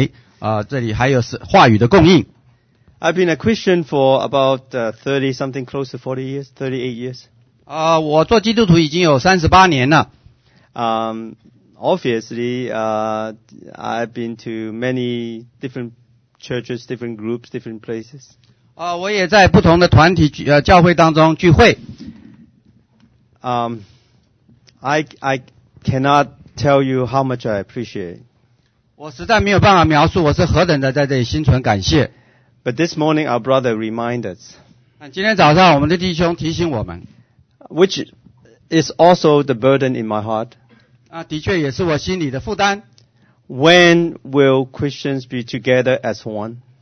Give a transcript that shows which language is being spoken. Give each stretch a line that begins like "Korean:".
Chinese: 我在这里的非常的享受这里的交通敬拜赞美这里还有话语的供应。
English: I've been a Christian for about 30 something close to 40 years, 38 years.
Chinese: 我做基督徒已经有38年了。
English: Obviously, I've been to many different churches, different groups, different places.
Chinese: 我也在不同的团体教会当中聚会。
English: I cannot tell you how much I appreciate.
Chinese: 我实在没有办法描述我是何等的在这里心存感谢。
English: But this morning our brother reminded us.
Chinese: 今天早上我们的弟兄提醒我们。
English: Which is also the burden in my heart.
Chinese: 的确也是我心里的负担。
English: When will Christians be together as one?